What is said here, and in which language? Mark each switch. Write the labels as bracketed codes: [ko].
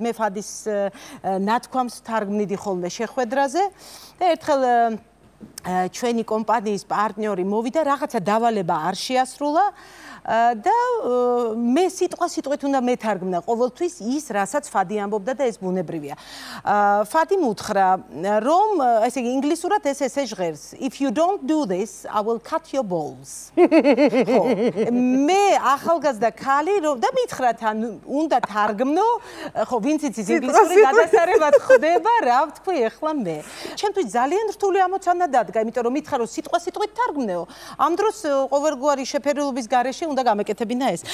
[ka] მე ფადის ნათქვამს თარგმნიდი ხოლმე შეხვედრაზე და ერთხელ ჩვენი კომპანიის პარტნიორი მოვიდა, რაღაცა დავალება არ შეასრულა და მე სიტყვასიტყვით უნდა მეთარგმნა ყოველთვის ის, რასაც ფადი ამბობდა და ეს ბუნებრივია. ფადი მუთხრა, რომ ესე იგი ინგლისურად ეს ესე ჟღერს: [en] If you don't do this, I will cut your balls. [ka] მე ახალგაზრდა ქალი რომ და მითხრა თან უნდა თარგმნო, ხო ვინც იცის ინგლისური, გადასარევად ხდება, რა ვთქვი ახლა მე. ჩემთვის ძალიან რთული ამოცანა და დადგა, იმიტომ რომ მითხრა რომ სიტყვა სიტყვით თარგმნეო. ამ დროს ყოველგვარი შეფერილობის გარეშე უნდა გამეკეთებინა ეს.